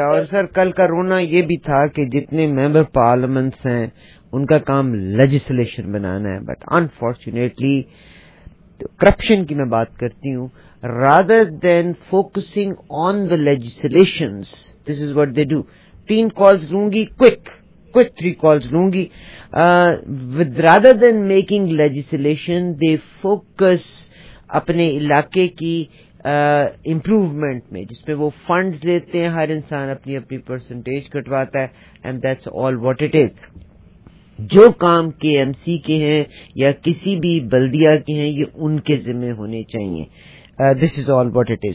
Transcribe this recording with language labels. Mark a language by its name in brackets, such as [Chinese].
[Urdu] اور سر کل کا رونا یہ بھی تھا کہ جتنے ممبر پارلیمنٹس ہیں ان کا کام لیجسلیشن بنانا ہے، [English] but unfortunately [Urdu] کرپشن کی میں بات کرتی ہوں، [English] Rather than focusing on the legislation this is what they do. [Urdu] تین کالز لوں گی، کوئک تھری کالز لوں گی. [English] with rather than making legislation they focus [Urdu] اپنے علاقے کی امپروومنٹ میں، جس میں وہ فنڈز لیتے ہیں، ہر انسان اپنی اپنی پرسنٹیج کٹواتا ہے، [English] And that's all what it is. [Urdu] جو کام کے ایم سی کے ہیں یا کسی بھی بلدیہ کے ہیں، یہ ان کے ذمہ ہونے چاہیے. [English] This is all what it is.